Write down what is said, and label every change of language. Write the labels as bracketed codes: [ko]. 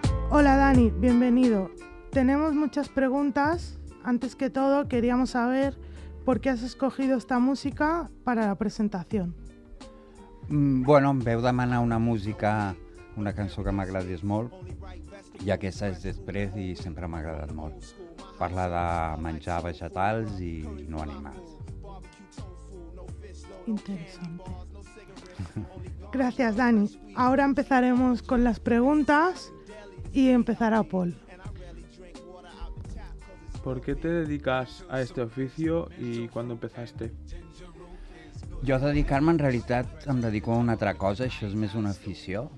[es] Hola Dani, bienvenido. Tenemos muchas preguntas. Antes que todo, queríamos saber por qué has escogido esta música para la presentación. [ca] Bueno, veo demanar una música, una cançó que m'agradi molt, i aquesta és després i sempre m'ha agradat molt. Parla de menjar vegetals i no animals. Interessante. Gràcies, Dani. [es] Ara empezaremos con las preguntas y empezar a Paul. ¿Por qué te dedicas a este oficio y cuándo empezaste? [ca] Jo dedicar-me, en realitat, em dedico a una altra cosa, això és més una afició.